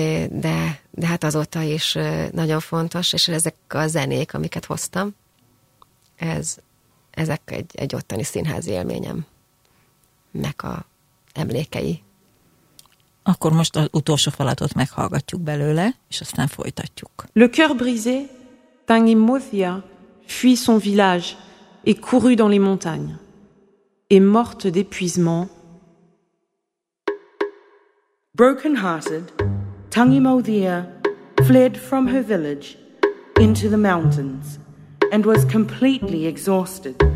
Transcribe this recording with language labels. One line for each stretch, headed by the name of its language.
Hungarian: De hát azóta is nagyon fontos, és ezek a zenék, amiket hoztam, ezek egy ottani színházi élményemnek a emlékei. Akkor most az utolsó falatot meghallgatjuk belőle, és aztán folytatjuk.
French: Le cœur brisé, Tangimothia fuit son village et courut dans les montagnes, et morte d'épuisement.
English: Broken hearted, Tangimothia fled from her village into the mountains and was completely exhausted.